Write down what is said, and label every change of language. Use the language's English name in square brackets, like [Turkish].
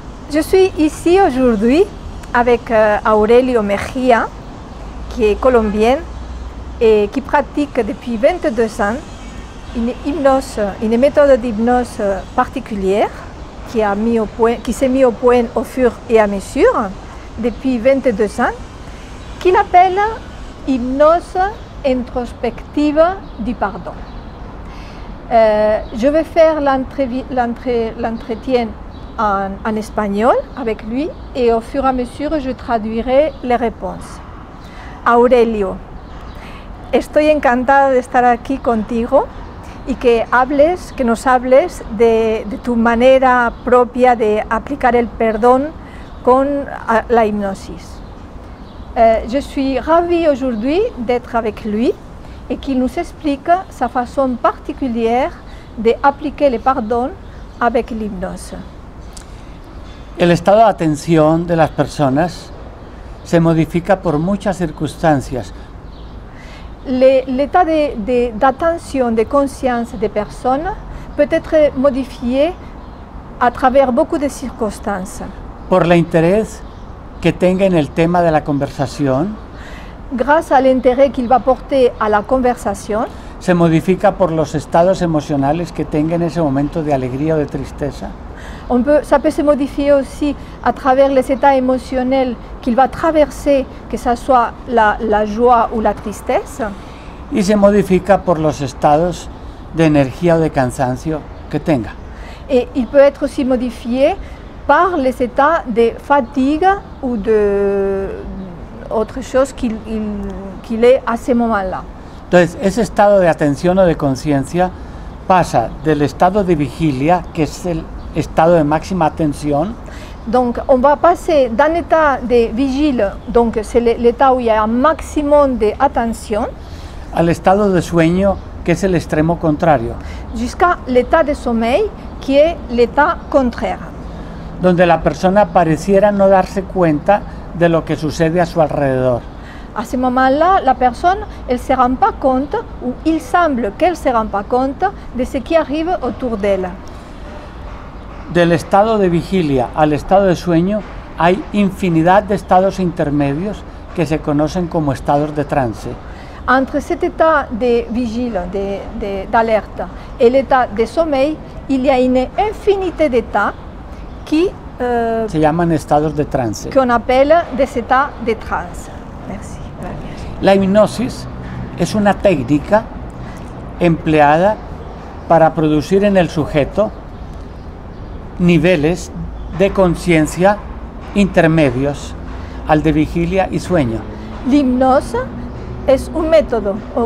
[French] Je suis ici aujourd'hui avec Aurelio Mejía, qui est colombien et qui pratique depuis 22 ans une hypnose, une méthode d'hypnose particulière qui s'est mise au point au fur et à mesure depuis 22 ans, qu'il appelle hypnose introspective du pardon. Je vais faire l'entretien en espagnol avec lui et au fur et à mesure je traduirai les réponses. [Spanish] Aurelio, estoy encantada de estar aquí contigo y que nos hables de tu manera propia de aplicar el perdón con la hipnosis. [French] Je suis ravie aujourd'hui d'être avec lui et qu'il nous explique sa façon particulière d'appliquer le pardon avec l'hypnose. [Spanish] El estado de atención de las personas se modifica por muchas circunstancias. [French] L'état d'attention, de conscience des personnes peut être modifié à travers beaucoup de circonstances. [Spanish] Por el interés que tenga en el tema de la conversación. [French] Grâce à l'intérêt qu'il va porter à la conversation. [Spanish] Se modifica por los estados emocionales que tenga en ese momento de alegría o de tristeza. [French] Ça peut se modifier aussi à travers les états émotionnels qu'il va traverser, que ce soit la joie ou la tristesse. [Spanish] Y se modifica por los estados de energía o de cansancio que tenga. [French] Et il peut être aussi modifié par les états de fatigue ou de autre chose qu'il est à ce moment-là. [Spanish] Entonces, ese estado de atención o de conciencia pasa del estado de vigilia, que es el estado de máxima atención. [French] Donc, on va passer d'un état de vigile, donc c'est l'état où il y a un maximum de [Spanish] atención, al estado de sueño, que es el extremo contrario. [French] Jusqu'à l'état de sommeil, qui est l'état contraire. [Spanish] Donde la persona pareciera no darse cuenta de lo que sucede a su alrededor. [French] À ce moment-là, la personne, elle se rend pas compte, ou il semble qu'elle se rend pas compte de ce qui arrive autour d'elle. [Spanish] Del estado de vigilia al estado de sueño hay infinidad de estados intermedios que se conocen como estados de trance. [French] Entre cet état de vigile, d'alerte, et l'état de sommeil, il y a une infinité d'états qui [Spanish] se llaman estados de trance. [French] Qu'on appelle des états de trance. Merci. [Spanish] La hipnosis es una técnica empleada para producir en el sujeto niveles de conciencia intermedios al de vigilia y sueño. La hipnosis es un método,